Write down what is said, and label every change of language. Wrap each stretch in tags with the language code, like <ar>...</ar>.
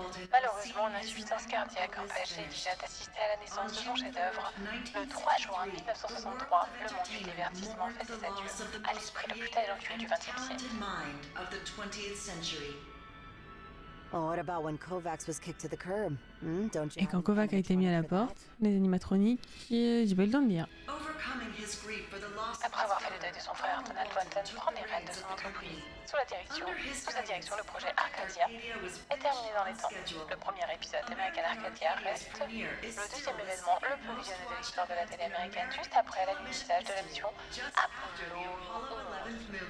<fr>Malheureusement, l'insuffisance cardiaque empêche Elijah d'assister à la naissance de son chef-d'œuvre. Le 3 juin 1963, le monde du divertissement fait ses adieux à l'esprit le plus talentueux du XXe siècle.</fr> <en>Oh, what about when Kovacs was kicked to the curb? Don't you?</en> <fr>Et quand Kovacs a été mis à la porte, les animatroniques, j'ai pas eu le temps de lire. Après avoir fait le deuil de son frère, Donald Walton prend les rênes de son entreprise. Sous sa direction, le projet Arcadia est terminé dans les temps. Le premier épisode d'American Arcadia reste le deuxième événement le plus visionné de l'histoire de la télé américaine, juste après l'atterrissage de la mission Apollo 11.</fr>